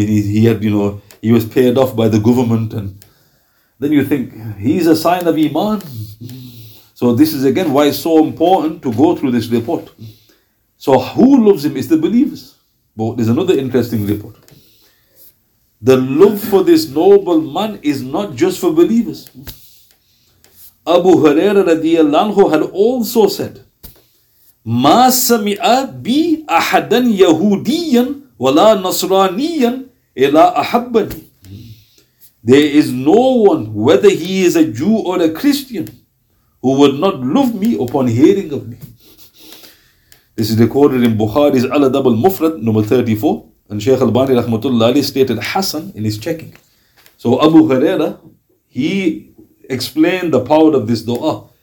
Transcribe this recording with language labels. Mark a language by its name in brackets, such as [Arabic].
[English] And he had, you know, he was paid off by the government. And then you think, he's a sign of Iman. So this is again why it's so important to go through this report. So who loves him? It's the believers. But there's another interesting report. The love for this noble man is not just for believers. [Arabic] Abu Hurairah radiallahu anhu [English] had also said, [Arabic] مَا سَمِعَ بِي أَحَدًا يَهُودِيًا وَلَا نَصْرَانِيًا إِلَىٰ أَحَبَّنِي. [English] There is no one, whether he is a Jew or a Christian, who would not love me upon hearing of me. This is recorded in Bukhari's Ala Dabal Mufrad, number 34. And Shaykh Albani rahmatullah alayhi stated Hassan in his checking. So Abu Hurairah, he explained the power of this dua.